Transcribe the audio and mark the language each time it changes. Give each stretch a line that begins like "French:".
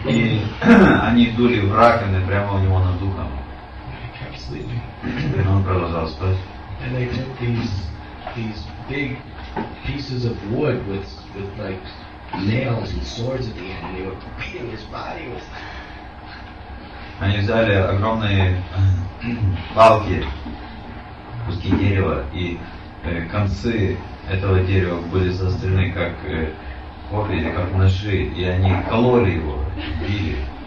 Russian: И они дули в раковины прямо у него над духом.
English: He kept sleeping.
Russian: И он продолжал спать.
English: And they took these big pieces of wood with like nails and swords at the end, and they were beating his body with.
Russian: Они взяли огромные палки, куски дерева, и концы этого дерева были заострены как копья или как ножи, и они кололи его, били.